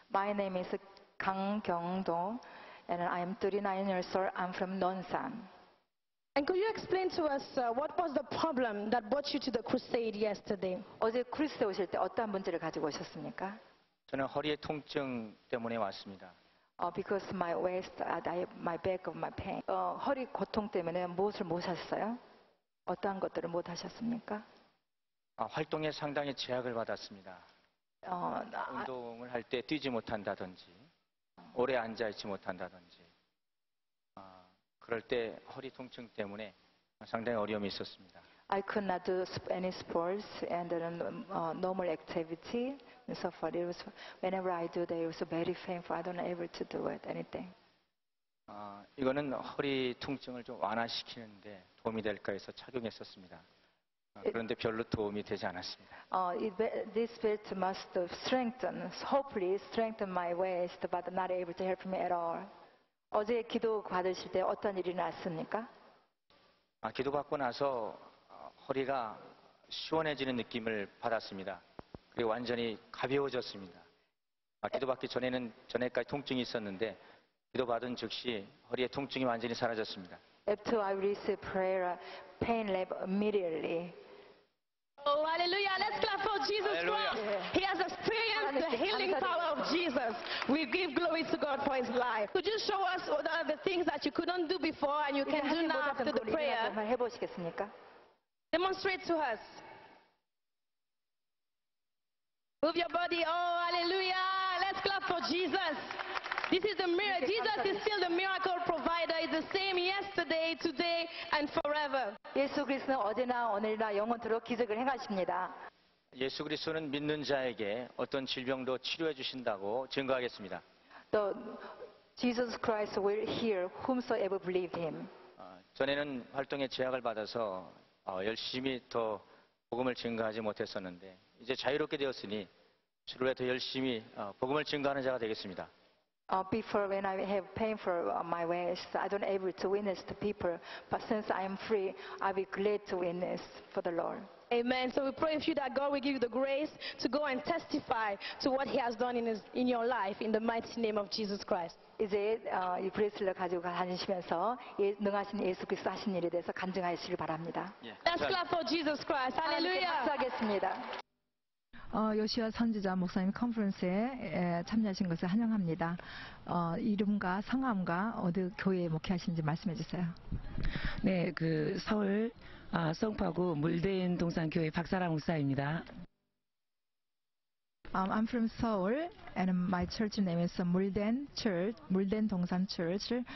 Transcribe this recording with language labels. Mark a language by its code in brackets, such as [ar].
[en] My name is 강경돈 and I am 39 years old. I'm from Nonsan. And could you explain to us what was the problem that brought you to the crusade yesterday? [ko] 어제 크루세이드 오실 때 어떤 문제를 가지고 오셨습니까? 저는 허리의 통증 때문에 왔습니다. [en] Because my waist, my back of my pain. [ko] 허리 고통 때문에 무엇을 못 하셨어요? 어떠한 것들을 못 하셨습니까? 활동에 상당히 제약을 받았습니다. 운동을 할 때 뛰지 못한다든지, 오래 앉아 있지 못한다든지, 그럴 때 허리 통증 때문에 상당히 어려움이 있었습니다. [en] I could not do any sports and normal activity. And so far, it was whenever I do, it was very painful. I don't able to do it anything. [ko] 이거는 허리 통증을 좀 완화시키는데 도움이 될까 해서 착용했었습니다. 그런데 별로 도움이 되지 않았습니다. [en] This belt must strengthen, hopefully strengthen my waist, but not able to help me at all. [ko] 어제 기도 받으실 때 어떤 일이 났습니까? 기도 받고 나서 허리가 시원해지는 느낌을 받았습니다. 그리고 완전히 가벼워졌습니다. 기도 받기 전에는 전에까지 통증이 있었는데 기도 받은 즉시 허리의 통증이 완전히 사라졌습니다. [en] After I receive prayer, pain left immediately. Oh, hallelujah! Let's clap for Jesus Christ. He has experienced the healing power of Jesus. We give glory to God for His life. Could you show us the things that you couldn't do before and you can do now after the prayer? [ko] 한번 해보시겠습니까? [en] Demonstrate to us. Move your body. Oh, hallelujah! Let's clap for Jesus. This is the miracle. Jesus is still the miracle provider. He's the same yesterday, today, and forever. [ko] 예수 그리스도는 어제나 오늘이나 영원토록 기적을 행하십니다. 예수 그리스도는 믿는 자에게 어떤 질병도 치료해 주신다고 증거하겠습니다. [en] The Jesus Christ will heal whomsoever believe him. [ko] 전에는 활동에 제약을 받아서 열심히 더 복음을 증거하지 못했었는데 이제 자유롭게 되었으니 주로에 더 열심히 복음을 증거하는 자가 되겠습니다. [en] Before when I have pain for my waist, I don't able to witness to people. But since I am free, I will be glad to witness for the Lord. Amen. So we pray for you that God will give you the grace to go and testify to what He has done in your life in the mighty name of Jesus Christ. [ko] 이제 이 브레이슬렛 가지고 다니시면서 능하신 예수 그리스도 하신 일에 대해서 간증하시길 바랍니다. [en] Let's clap for Jesus Christ. Hallelujah. [ko] 감사하겠습니다. 요시아 선지자 목사님 컨퍼런스에 참여하신 것을 환영합니다. 이름과 성함과 어느 교회에 목회하시는지 말씀해 주세요. 네, 서울 성파구 물대인 동산교회 박사라 목사입니다. [en] I'm from Seoul and my church name is 물댄 Church, 물댄 동산 Church.